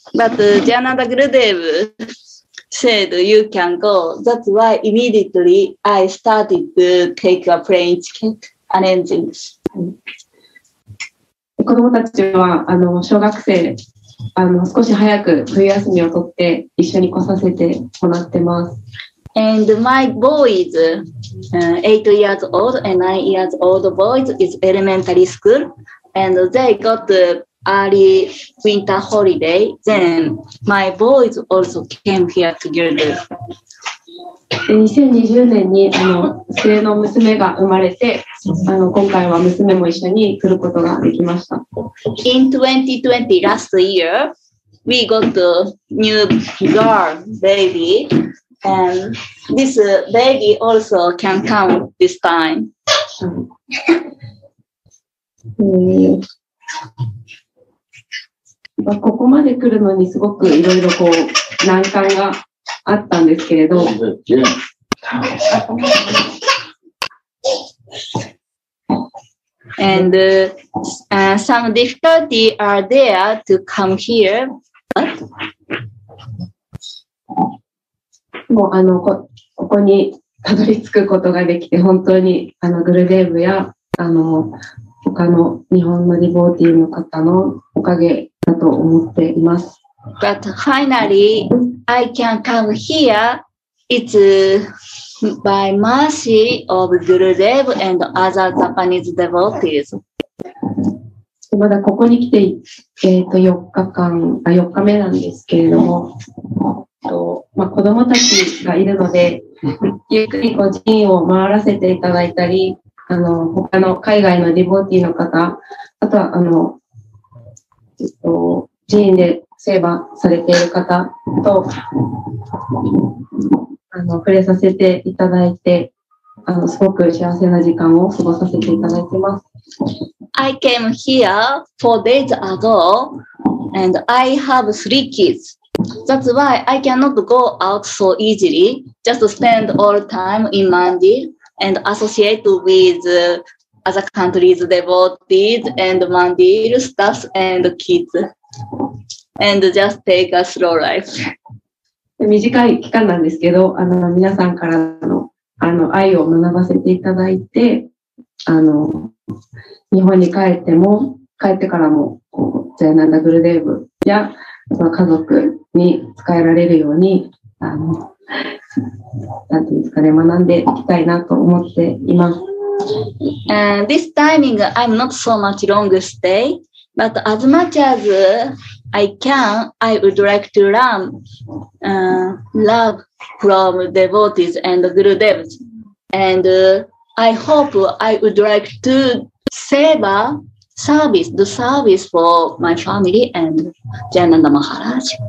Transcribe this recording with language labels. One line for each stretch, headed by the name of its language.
English: But, ジャナダ・グルデーブ said you can go. That's why immediately I started to take a plane ticket arrangements.
Japanese: 子供たちは、あの、小学生、あの、少し早く冬休みを取って一緒に来させてもらってます。
English: And my boys, 8 years old and 9 years old boys is elementary school. And they got the early winter holiday. Then my boys also came here together.
Japanese: 2020年にあの末の娘が生まれて、あの今回は娘も一緒に来ることができました。
English: In 2020, last year, we got the new girl baby. And this baby also can come this time.
Japanese: ここまで来るのにすごくいろいろこう難関があったんですけれど。
English: And some difficulty are there to come here, but.
Japanese: もうあの ここにたどり着くことができて本当にあのグルデーブやあの他の日本のディボーティーの方のおかげだと思っています。
English: But finally, I can come here. It's by mercy of グルデーブ and other Japanese devotees.
Japanese: まだここに来て、4日間、あ、4日目なんですけれども、まあ、子供たちがいるので、ゆっくりこう寺院を回らせていただいたり、あの、他の海外のディボーティーの方、あとは、あの、寺院でセーバーされている方と、あの、触れさせていただいて、あの、すごく幸せな時間を過ごさせていただいてます。
English: I came here 4 days ago and I have 3 kids. That's why I cannot go out so easily. Just spend all time in Mandi and associate with other countries' devotees and Mandir staffs and kids. And just take a slow life.
Japanese: 短い期間なんですけど、あの、皆さんからの、あの、愛を学ばせていただいて、あの、日本に帰っても、帰ってからも、こう、ジャイナンダグルデーブや、家族に使えられるように、あの、なんていうんですかね、学んでいきたいなと思っています。
English: This timing, I'm not so much long stay, but as much as I can, I would like to learn, love from devotees and Guru Devs. And, I hope I would like to save a service, the service for my family and Jayananda Maharaj.